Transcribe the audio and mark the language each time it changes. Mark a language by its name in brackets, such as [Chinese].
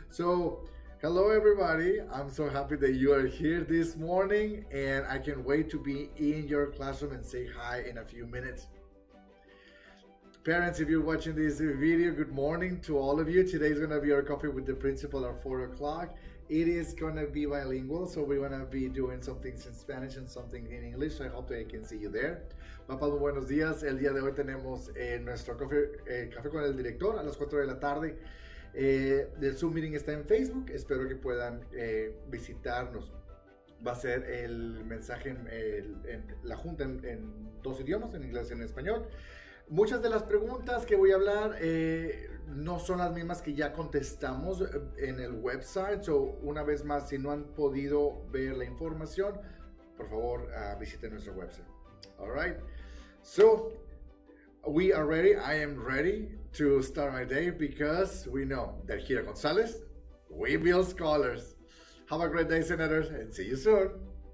[English] So, hello everybody, I'm so happy that you are here this morning and I can't wait to be in your classroom and say hi in a few minutes. Parents, if you're watching this video, good morning to all of you. Today's gonna be our coffee with the principal at 4 o'clock. It is gonna be bilingual, so we're gonna be doing some things in Spanish and something in English. I hope that I can see you there. [Spanish] Papá, buenos días. El día de hoy tenemos nuestro café con el director a las 4 de la tarde. El Zoom meeting está en Facebook, espero que puedan visitarnos. Va a ser el mensaje en la junta en dos idiomas, en inglés y en español. Muchas de las preguntas que voy a hablar no son las mismas que ya contestamos en el website. So, una vez más, si no han podido ver la información, por favor visiten nuestro website. [English] All right. So, we are ready. I am ready to start my day because we know that here at Gonzalez, we build scholars. Have a great day, senators, and see you soon.